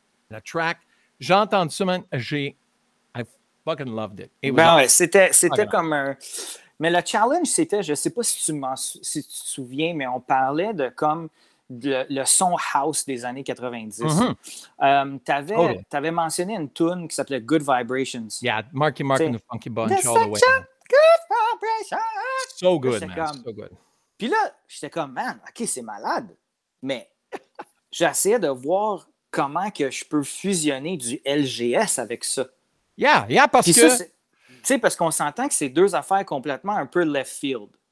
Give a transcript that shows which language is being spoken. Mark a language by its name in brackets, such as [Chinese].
[French] La track, j'ai entendu ça, man, j'ai... [English] Fucking loved it. [French] C'était comme un. Mais le challenge, c'était, je ne sais pas si tu te souviens, mais on parlait de comme le son house des années 90. Mm-hmm. T'avais mentionné une tune qui s'appelait Good Vibrations. [English] Yeah, Marky Mark and the Funky Bunch all the way. Such a good vibration. So good, man. Comme... So good. [French] Puis là, j'étais comme, man, OK, c'est malade. Mais j'essayais de voir comment que je peux fusionner du LGS avec ça. Yeah, parce puis que... Tu sais, parce qu'on s'entend que c'est deux affaires complètement un peu left field.